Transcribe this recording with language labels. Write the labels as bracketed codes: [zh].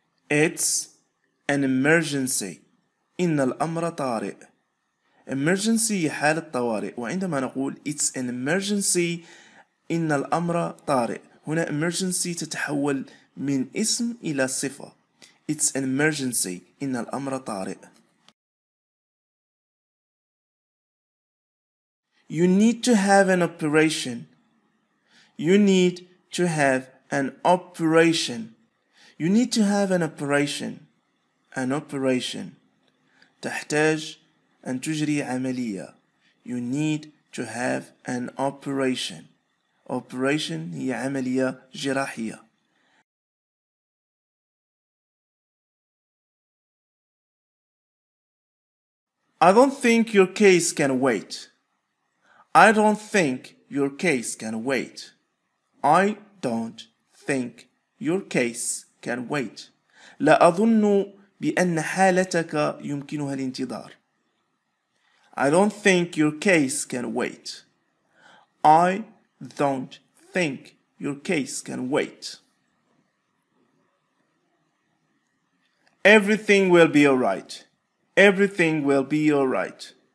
[en] It's an emergency. [ar] إن الأمر طارئ. Emergency هي حالة طوارئ، وعندما نقول [en] it's an emergency [ar] إن الأمر طارئ، هنا emergency تتحول من اسم إلى صفة. [en] It's an emergency [ar] إن الأمر طارئ. [en] You need to have an operation. You need to have an operation. You need to have an operation. An operation. [ar] تحتاج أن تجري عملية. [en] You need to have an operation. [ar] Operation هي عملية جراحية. [en] I don't think your case can wait. I don't think your case can wait. I don't think your case can wait. [ar] لا أظن بأن حالتك يمكنها الانتظار. [en] I don't think your case can wait. I don't think your case can wait. Everything will be alright. Everything will be alright.